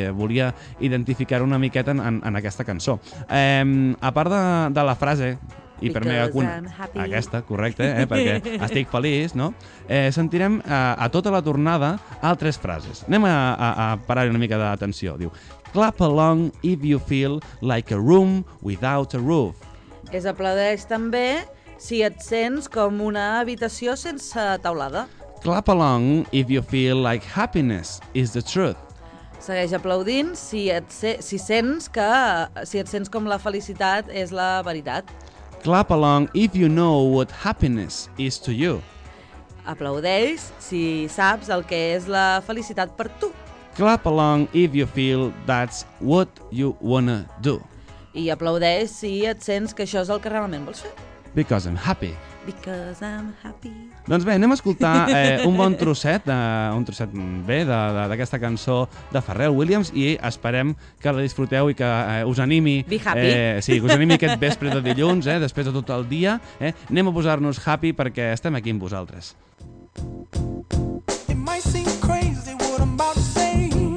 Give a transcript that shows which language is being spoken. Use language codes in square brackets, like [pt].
[ca] Volia identificar una miqueta en aquesta cançó. A part de la frase, i per [en] Because [ca] mi alguna, aquesta, correcte, perquè estic feliç, no? Sentirem a tota la tornada altres frases. Anem a parar una mica d'atenció. [en] Diu, clap along if you feel like a room without a roof. [ca] Es aplaudeix també si et sents com una habitació sense teulada. [en] Clap along if you feel like happiness is the truth. [ca] Segueix aplaudint si et sents com la felicitat és la veritat. [en] Clap along if you know what happiness is to you. [ca] Aplaudeix si saps el que és la felicitat per tu. [en] Clap along if you feel that's what you wanna do. [ca] I aplaudeix si et sents que això és el que realment vols fer. [en] Because I'm happy. Because I'm happy. [ca] Doncs bé, anem a escoltar un bon trosset, un trosset bé d'aquesta cançó de Pharrell Williams i esperem que la disfruteu i que us animi. [en] Be happy. [ca] Sí, que us animi aquest vespre de dilluns, després de tot el dia. Anem a posar-nos happy perquè estem aquí amb vosaltres. [en] It might seem crazy what I'm about to say.